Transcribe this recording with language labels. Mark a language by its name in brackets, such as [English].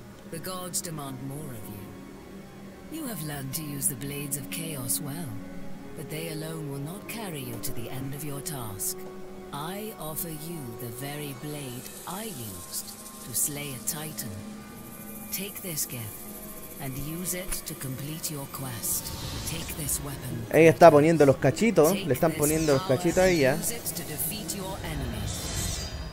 [English] The gods demand more of you. You have learned to use the blades of chaos well, but they alone will not carry you to the end of your task. I offer you the very blade I used to slay a titan. Take this gift and use it to complete your quest. Take this weapon. [Spanish] Ella está poniendo los cachitos. Le están poniendo los cachitos a ella. [English] Use it to defeat your enemies.